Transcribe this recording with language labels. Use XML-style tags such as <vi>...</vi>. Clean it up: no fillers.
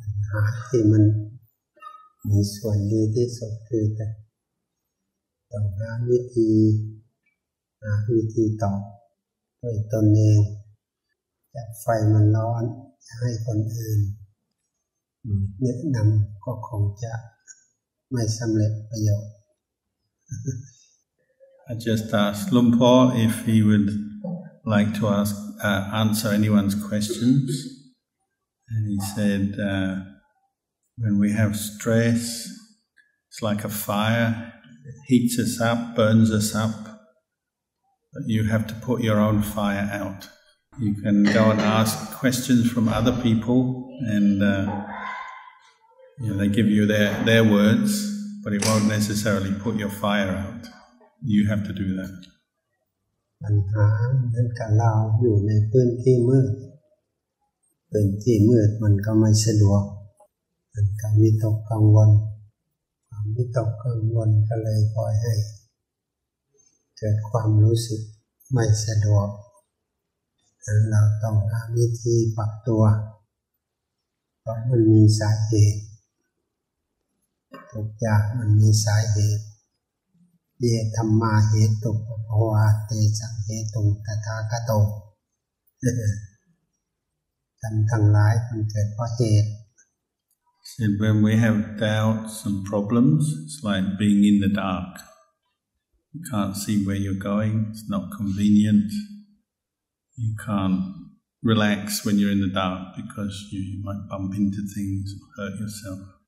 <th>หาที่มันมีส่วนดีที่สุดคือแต่ต้องหาวิธีหาวิธีตอบด้วยตนเองจะไฟมันร้อนจะให้คนอื่นแนะนำก็คงจะไม่สำเร็จประโยชน์</th> <en>I just asked Lumpo if he would like to answer anyone's questions. And he said, when we have stress, it's like a fire, heats us up, burns us up. But you have to put your own fire out. You can go and ask questions from other people, and you know, they give you their words, but it won't necessarily put your fire out. You have to do that.</en> <th>ปัญหาเหมือนกับเราอยู่ในพื้นที่มืดพื้นที่มืดมันก็ไม่สะดวกมันก็วิตกกังวลความวิตกกังวลก็เลยปล่อยให้เกิดความรู้สึกไม่สะดวกดังนั้นเราต้องหาวิธีปรับตัวเพราะมันมีสาเหตุ ทุกอย่างมันมีสาเหตุ</th> <pi>เยธรรมาเหตุปภวาเตสังเหตุตถาคต</pi> <th>ทำทั้งหลายมันเกิดเพราะเหตุ</th> <en>So when we have doubts and problems, it's like being in the dark. You can't see where you're going. It's not convenient. You can't relax when you're in the dark because you might bump into things or hurt yourself.</en>